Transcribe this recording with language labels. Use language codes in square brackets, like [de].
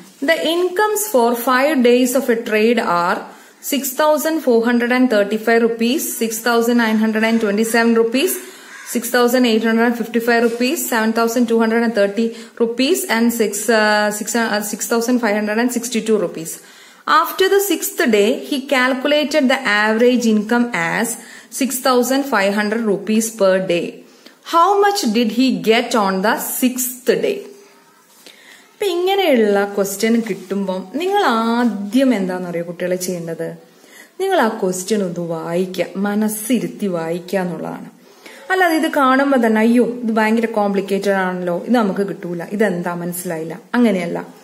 [en] The incomes for 5 days of a trade are 6435 rupees, 6927 rupees, 6855 rupees, 7230 rupees, and 6562 rupees. After the 6th day, he calculated the average income as 6500 rupees per day. How much did he get on the 6th day? [ml] ഇപ്പൊ ഇങ്ങനെയുള്ള question കിട്ടുമ്പോൾ നിങ്ങൾ ആദ്യം എന്താണെന്നറിയോ കുട്ടികളെ ചെയ്യേണ്ടത്? നിങ്ങൾ ആ ക്വസ്റ്റ്യൻ ഒന്ന് വായിക്കുക, മനസ്സിരുത്തി വായിക്കുക എന്നുള്ളതാണ്. അല്ലാതെ ഇത് കാണുമ്പോ തന്നെ അയ്യോ ഇത് ഭയങ്കര കോംപ്ലിക്കേറ്റഡ് ആണല്ലോ, ഇത് നമുക്ക് കിട്ടൂല, ഇതെന്താ മനസ്സിലായില്ല, അങ്ങനെയല്ല.